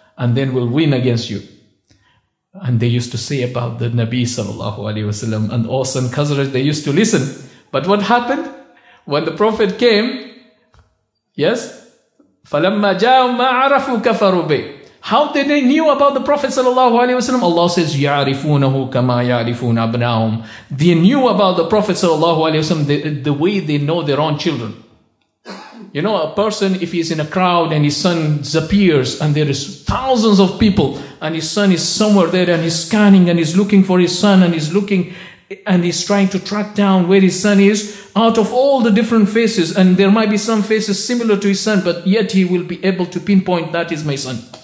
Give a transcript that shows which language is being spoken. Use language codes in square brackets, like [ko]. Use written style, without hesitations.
[en] And then we'll win against you. And they used to say about the Nabi sallallahu alayhi wasallam and awesome Khazraj, they used to listen. But what happened? When the Prophet came, yes? [ar] فَلَمَّا جَاءُ مَا عَرَفُوا كَفَرُوا بِهِ. [en] How did they knew about the Prophet sallallahu alayhi wasallam? Allah says, [ar] يَعْرِفُونَهُ كَمَا يَعْرِفُونَ أَبْنَاهُمْ. [en] They knew about the Prophet sallallahu alayhi wasallam the way they know their own children. You know, a person, if he's in a crowd and his son disappears and there is thousands of people and his son is somewhere there and he's scanning and he's looking for his son and he's looking and he's trying to track down where his son is, out of all the different faces, and there might be some faces similar to his son, but yet he will be able to pinpoint, that is my son.